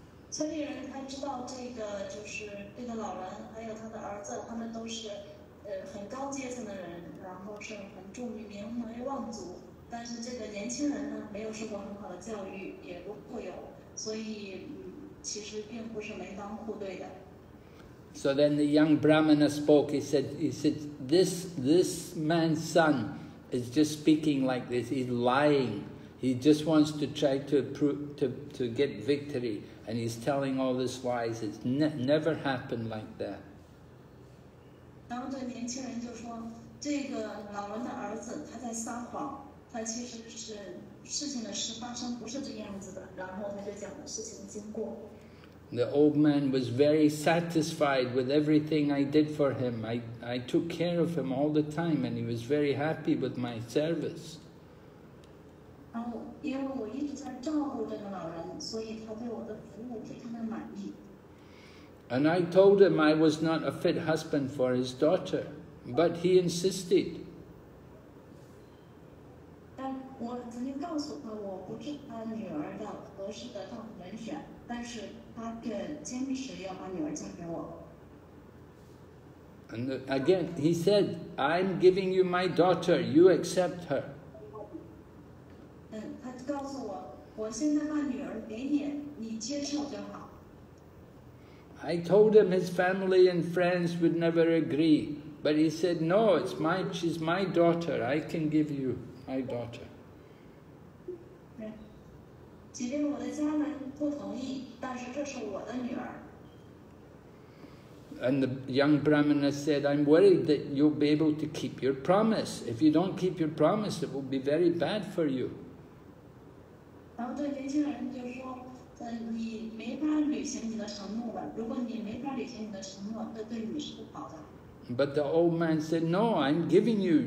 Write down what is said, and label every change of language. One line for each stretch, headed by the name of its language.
Chinese: 村里人他知道这个就是这个老人还有他的儿子，他们都是很高阶层的人，然后是很著名门外望族。但是这个年轻人呢，没有受过很好的教育，也不富有，所以其实并不是门当户对的。
English: So then the young Brahmana spoke. He said, this man's son is just speaking like this. He's lying. He just wants to try to prove, to get victory, and he's telling all these lies. It's never happened like that.
Chinese: 然后这年轻人就说：“这个老人的儿子他在撒谎，他其实是事情的事发生不是这样子的。” 然后他就讲了事情的经过。
English: The old man was very satisfied with everything I did for him. I took care of him all the time, and he was very happy with my service.
Chinese: 然后，因为我一直在照顾这个老人，所以他对我的服务非常的满意。
English: And I told him I was not a fit husband for his daughter, but he insisted.
Chinese: 但我曾经告诉他，我不是他女儿的合适的丈夫人选，但是他却坚持要把女儿嫁给我。
English: And again, he said, "I'm giving you my daughter. You accept her."
Chinese: 他告诉我，我现在把女儿给你，你接受就好。
English: I told him his family and friends would never agree, but he said, "No, it's my, she's my daughter. I can give you my daughter."
Chinese: 即便我的家人不同意，但是这是我的女儿。
English: And the young Brahmana said, "I'm worried that you'll be able to keep your promise. If you don't keep your promise, it will be very bad for you."
Chinese: 然后对年轻人就说。你没法履行你的承诺了。如果你没法履行你的承诺，那对你是不好的。
English: But the old man said, "No, I'm giving you.